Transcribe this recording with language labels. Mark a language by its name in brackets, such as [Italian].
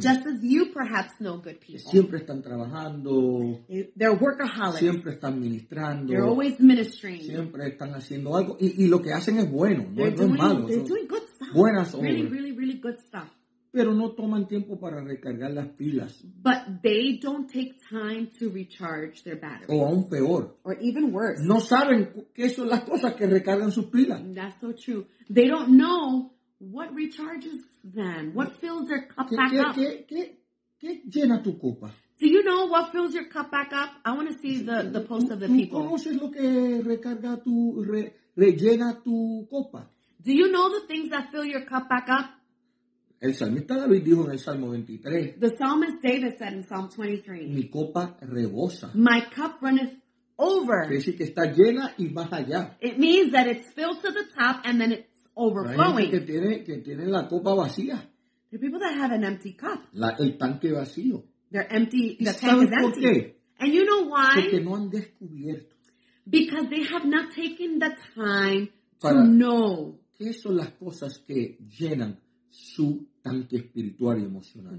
[English] Just as you perhaps know good people. [Spanish] Siempre están trabajando. [English] They're workaholics. [Spanish] Siempre están ministrando. [English] They're always ministering. [Spanish] Siempre están haciendo algo. Y lo que hacen es bueno. No es malo. [English] They're doing good stuff. [Spanish] Buenas obras. [English] Really, really, really good stuff. [Spanish] Pero no toman tiempo para recargar las pilas. [English] But they don't take time to recharge their batteries. [Spanish] O aún peor. [English] Or even worse. [Spanish] No saben qué son las cosas que recargan sus pilas. [English] That's so true. They don't know what recharges them. What fills their cup back up? [Spanish] ¿Qué llena tu copa? [English] Do you know what fills your cup back up? I want to see the post of the people. [Spanish] ¿Tú conoces lo que recarga tu, rellena tu copa? [English] Do you know the things that fill your cup back up? [Spanish] El salmista David dijo en el Salmo 23. [English] The psalmist David said in Psalm 23. [Spanish] Mi copa rebosa. [English] My cup runneth over. [Spanish] Quiere decir que está llena y más allá. [English] It means that it's filled to the top and then it's overflowing. [Spanish] Hay gente que tiene la copa vacía. [English] There are people that have an empty cup. [Spanish] El tanque vacío. [English] They're empty. The tank is empty. [Spanish] ¿Por qué? [English] And you know why? [Spanish] Porque no han descubierto. [English] Because they have not taken the time to know. [Spanish] ¿Qué son las cosas que llenan su tanque espiritual y emocional?